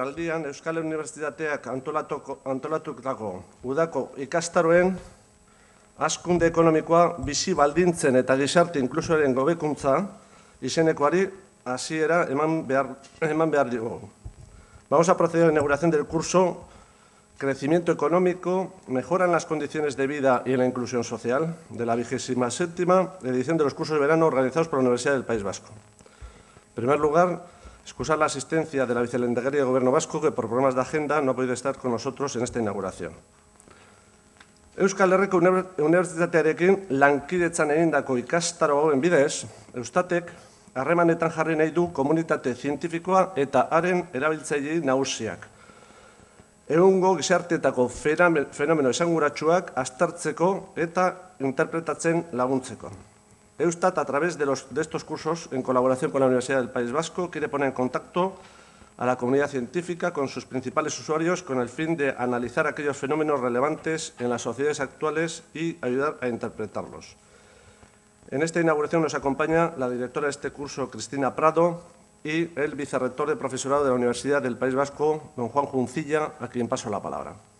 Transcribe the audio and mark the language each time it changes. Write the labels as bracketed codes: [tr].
[eu] aldian Euskal Unibertsitateak antolatutako udako ikastaroen askunde ekonomikoa bizi baldintzen eta gizarte inklusioaren gobekuntza izenekoari hasiera eman behar dugu. [es] Vamos a proceder a la inauguración del curso Crecimiento económico, mejoran las condiciones de vida y la inclusión social de la 27ª edición de los cursos de verano organizados por la Universidad del País Vasco. En primer lugar, excusar la asistencia de la vicelehendakari del Gobierno Vasco, que por problemas de agenda no ha podido estar con nosotros en esta inauguración. [eu] Euskal Herriko Unibertsitatearekin lankidetzan egindako ikastaro hauen bidez, Eustatek harremanetan jarri nahi du komunitate zientifikoa eta haren erabiltzaile nagusiak. Egungo gizarteetako fenomeno esanguratsuak aztertzeko eta interpretatzen laguntzeko. [es] Eustat, a través de estos cursos, en colaboración con la Universidad del País Vasco, quiere poner en contacto a la comunidad científica con sus principales usuarios con el fin de analizar aquellos fenómenos relevantes en las sociedades actuales y ayudar a interpretarlos. En esta inauguración nos acompaña la directora de este curso, Cristina Prado, y el vicerrector de profesorado de la Universidad del País Vasco, don Juan Juncilla, a quien paso la palabra.